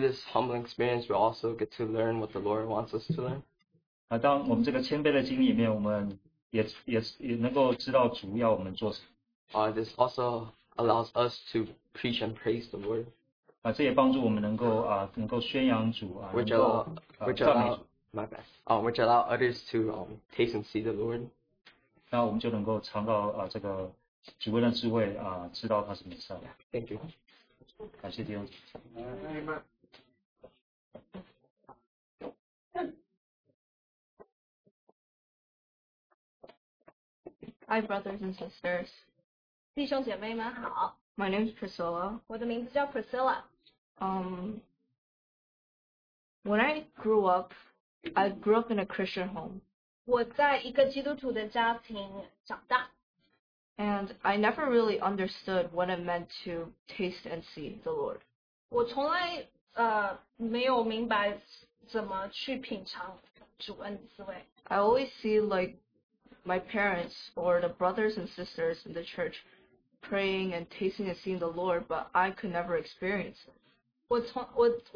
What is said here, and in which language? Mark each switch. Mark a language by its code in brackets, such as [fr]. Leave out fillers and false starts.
[en] this humbling experience, we also get to learn what the Lord wants us to learn. [zh] 当我们这个谦卑的经历里面，我们也能够知道主要我们做什么。 [en] This also allows us to preach and praise the Lord. [zh] 这也帮助我们能够宣扬主，能够赞美主。 [en] My bad. Which allow others to taste and see the Lord. [zh] 那我们就能够尝到这个主恩的智慧，知道他是美善。 [en] Thank you. [zh] 感谢弟兄姐妹。 [en] Hi, brothers and sisters. [zh] 弟兄姐妹们好。 [en] My name is Priscilla. [zh] 我的名字叫 Priscilla. [en] When I grew up, I grew up in a Christian home. [zh] 我在一个基督徒的家庭长大。 [en] And I never really understood what it meant to taste and see the Lord. [zh] 我从来没有明白怎么去品尝主恩的滋味。 [en] I always see like my parents or the brothers and sisters in the church praying and tasting and seeing the Lord, but I could never experience it.